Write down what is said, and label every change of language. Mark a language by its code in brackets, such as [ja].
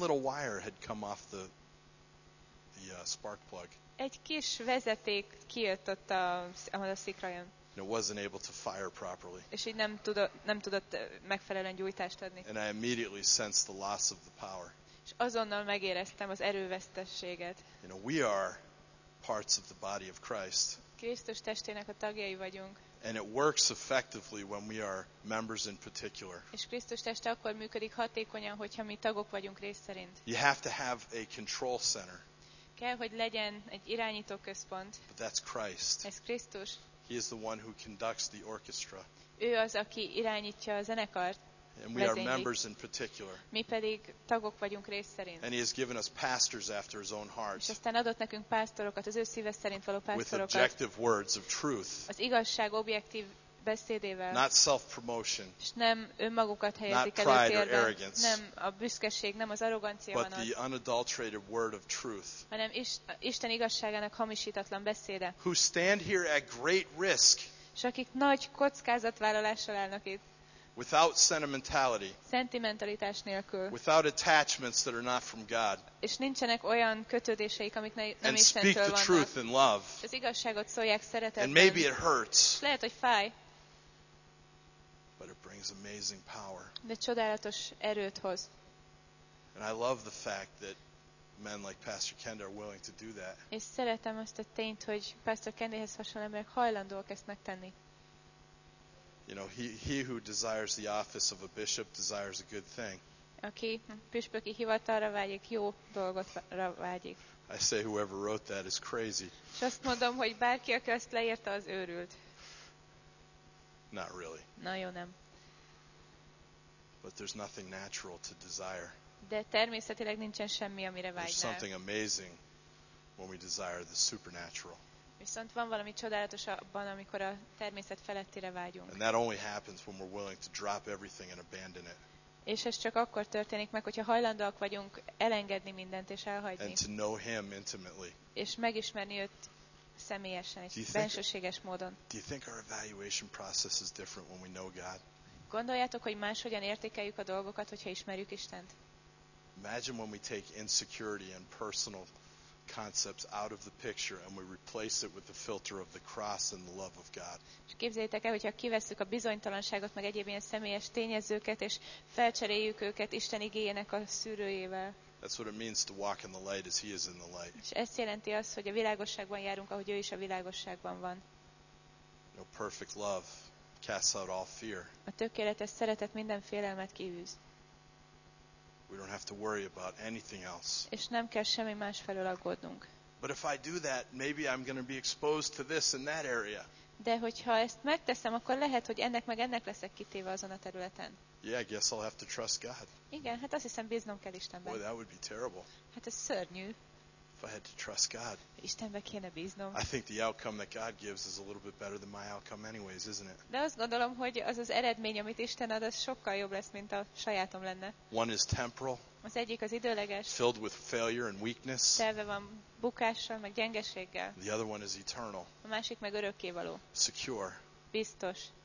[en] One little wire had come off the spark plug. [hu] Egy kis vezeték kijött ott a szikrajon. [en] And it wasn't able to fire properly. [hu] És így nem tudott megfelelően gyújtást adni. [en] And I immediately sensed the loss of the power. [hu] És azonnal megéreztem az erővesztességet. [en] You know, we are parts of the body of Christ. [hu] Krisztus testének a tagjai vagyunk. [en] And it works effectively when we are members in particular. [hu] És Krisztus teste akkor működik hatékonyan, hogyha mi tagok vagyunk rész szerint. [en] You have to have a control center. [hu] Kell, hogy legyen egy irányító központ. [en] But that's Christ. [hu] Ez Krisztus. [en] He is the one who conducts the orchestra. [hu] Ő az, aki irányítja a zenekart. [en] And we are members in particular. [hu] Mi pedig tagok vagyunk rész szerint. [en] And He has given us pastors after His own heart. [hu] És aztán adott nekünk pásztorokat, az ő szíve szerint való pásztorokat. [en] With objective words of truth. [hu] Az igazság objektív beszédével. [en] Not self-promotion. [hu] És nem önmagukat helyezik előtérben. Nem a büszkeség, nem az arrogancia van. [en] But the unadulterated word of truth. [hu] Hanem Isten igazságának hamisítatlan beszéde. [en] Who stand here at great risk. [hu] És akik nagy kockázatvállalással állnak itt. [en] Without sentimentality. [hu] Szentimentalitás nélkül. [en] Without attachments that are not from God. [hu] És nincsenek olyan kötődéseik, amik nem Istentől vannak. [en] And speak the truth in love. [hu] Az igazságot szólják szeretetben. [en] And maybe it hurts. [hu] Lehet, hogy fáj. [en] But it brings amazing power. [hu] De csodálatos erőt hoz. [en] And I love the fact that men like Pastor Kendi are willing to do that. [hu] És szeretem azt a tényt, hogy Pastor Kendihez hasonló emberek hajlandóak ezt megtenni. [en] You know, he who desires the office of a bishop desires a good thing. [hu] Aki püspöki hivatalra vágyik, jó dolgotra vágyik. [en] I say whoever wrote that is crazy. [hu] És azt mondom, hogy bárki, aki ezt leírta, az őrült. [en] Not really. [hu] Na jó, nem. [en] But there's nothing natural to desire. [hu] De természetileg nincsen semmi, amire vágynál. [en] There's something amazing when we desire the supernatural. [hu] Viszont van valami csodálatos abban, amikor a természet felettire vágyunk. [en] And that only happens when we're willing to drop everything and abandon it. [hu] És ez csak akkor történik meg, hogyha hajlandóak vagyunk elengedni mindent és elhagyni. [en] And to know him intimately. [hu] És megismerni őt személyesen, egy bensőséges módon. [en] Do you think our evaluation process is different when we know God? [hu] Gondoljátok, hogy máshogyan értékeljük a dolgokat, hogyha ismerjük Istent? [en] Imagine when we take insecurity and personal concepts out of the picture and we replace it with the filter of the cross and the love of God. [hu] Képzeljétek el, hogyha kivesszük a bizonytalanságot meg egyéb ilyen személyes tényezőket és felcseréljük őket Isten igéjének a szűrőjével. [en] That's what it means to walk in the light as he is in the light. [hu] És ez jelenti azt, hogy a világosságban járunk, ahogy ő is a világosságban van. [en] No perfect love casts out all fear. [hu] A tökéletes szeretet minden félelmet kiűz. [en] We don't have to worry about anything else. [hu] És nem kell semmi más felől aggódnunk. [en] But if I do that, maybe I'm going to be exposed to this and that area. [hu] De hogyha ezt megteszem, akkor lehet, hogy ennek meg ennek leszek kitéve azon a területen. [en] Yeah, I guess I'll have to trust God. [hu] Igen, hát azt hiszem, bíznom kell Istenben. [en] Boy, that would be terrible. [hu] Hát ez szörnyű. [en] If I had to trust God. [hu] Istenbe kéne bíznom. [en] I think the outcome that God gives is a little bit better than my outcome anyways, isn't it? [hu] De azt gondolom, hogy az az eredmény, amit Isten ad, az sokkal jobb lesz, mint a sajátom lenne. [en] One is temporal. [hu] Az egyik az időleges. [en] Filled with failure and weakness. [hu] Telve van bukással, meg gyengeséggel. [en] The other one is eternal. [hu] A másik meg örökkévaló. [en] Secure. [hu] Biztos.